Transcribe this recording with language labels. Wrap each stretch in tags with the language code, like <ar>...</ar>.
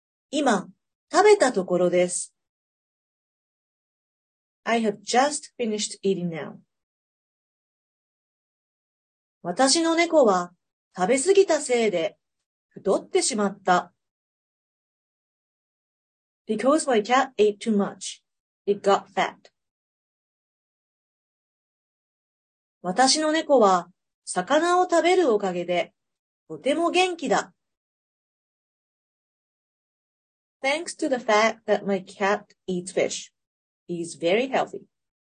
<ja>今、食べたところです。</ja> <en>I have just finished eating now.</en> <ja>私の猫は、食べ過ぎたせいで、太ってしまった。</ja> <en>Because my cat ate too much, it got fat.</en> <ja>私の猫は魚を食べるおかげでとても元気だ。</ja> <en>Thanks to the fact that my cat eats fish, he is very healthy.</en>